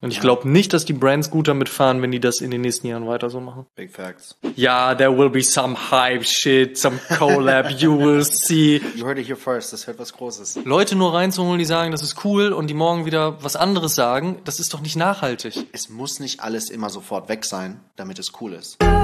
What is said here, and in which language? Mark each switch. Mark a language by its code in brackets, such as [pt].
[de] Und ich glaube nicht, dass die Brands gut damit fahren, wenn die das in den nächsten Jahren weiter so machen. [en] Big facts. Ja, there will be some hype shit, some collab, you will see. You heard it here first, [de] das hört was Großes. Leute nur reinzuholen, die sagen, das ist cool und die morgen wieder was anderes sagen, das ist doch nicht nachhaltig. Es muss nicht alles immer sofort weg sein, damit es cool ist.